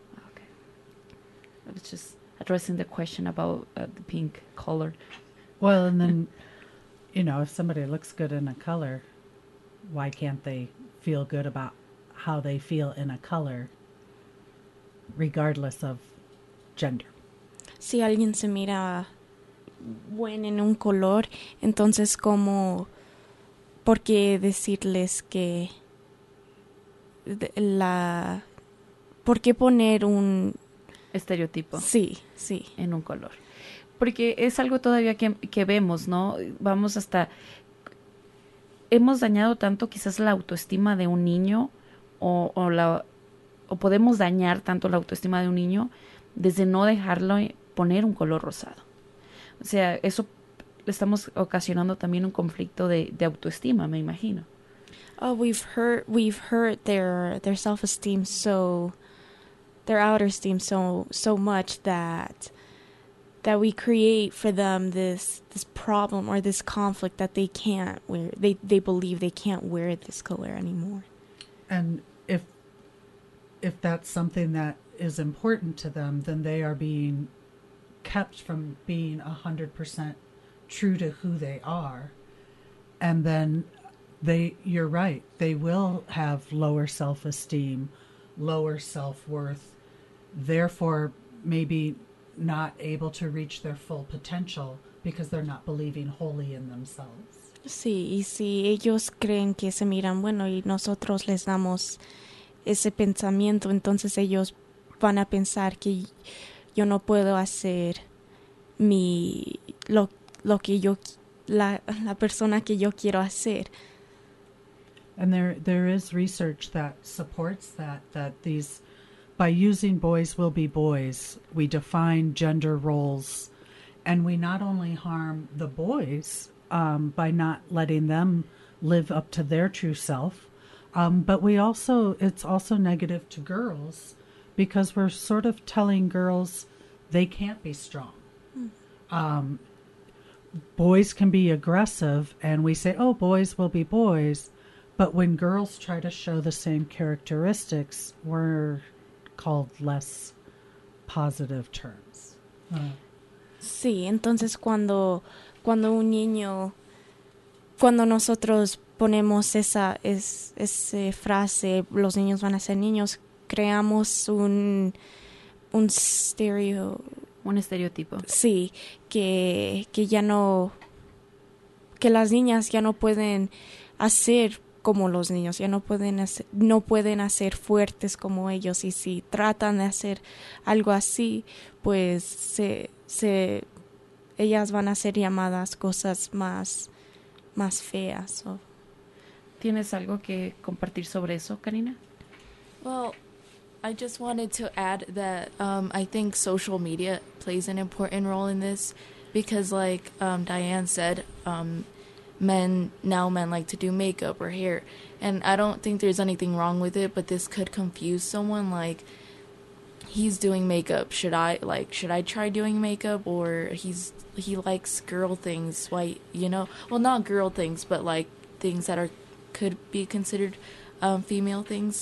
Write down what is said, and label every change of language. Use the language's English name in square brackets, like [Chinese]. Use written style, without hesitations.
[English] Okay. I was just addressing the question about the pink color. Well, and then, you know, if somebody looks good in a color, why can't they feel good about how they feel in a color, regardless of gender? [Spanish] Si alguien se mira bueno en un color, entonces como, ¿por qué decirles que la, por qué poner un estereotipo? Sí, sí. En un color. Porque es algo todavía que vemos, ¿no? Vamos hasta, hemos dañado tanto quizás la autoestima de un niño o podemos dañar tanto la autoestima de un niño desde no dejarlo poner un color rosado. O sea, eso le estamos ocasionando también un conflicto de autoestima, me imagino. [English] Oh, we've hurt their self-esteem so, their outer esteem so much that we create for them this problem or this conflict that they can't wear, they believe they can't wear this color anymore. And if that's something that is important to them, then they are being kept from being 100% true to who they are, and then you're right, they will have lower self-esteem, lower self-worth, therefore maybe not able to reach their full potential because they're not believing wholly in themselves. [Spanish] Sí, y si ellos creen que se miran bueno y nosotros les damos ese pensamiento, entonces ellos van a pensar que yo no puedo hacer la persona que yo quiero hacer. [English] And there is research that supports that these, by using boys will be boys, we define gender roles, and we not only harm the boys by not letting them live up to their true self, but we also, it's also negative to girls because we're sort of telling girls they can't be strong. Boys can be aggressive, and we say, oh, boys will be boys, but when girls try to show the same characteristics, we're called less positive terms. [Spanish] Sí, entonces cuando un niño, cuando nosotros ponemos esa frase, los niños van a ser niños, creamos un estereotipo. Sí, que ya no, que las niñas ya no pueden hacer como los niños, ya no pueden hacer, no pueden hacer fuertes como ellos, y si tratan de hacer algo así, pues ellas van a ser llamadas cosas más feas. O... ¿Tienes algo que compartir sobre eso, Karina? [English] Well, I just wanted to add that I think social media plays an important role in this, because like Diane said, men like to do makeup or hair, and I don't think there's anything wrong with it, but this could confuse someone, like, he's doing makeup, should I try doing makeup, or he likes girl things, white, you know, well, not girl things, but like things that are could be considered female things.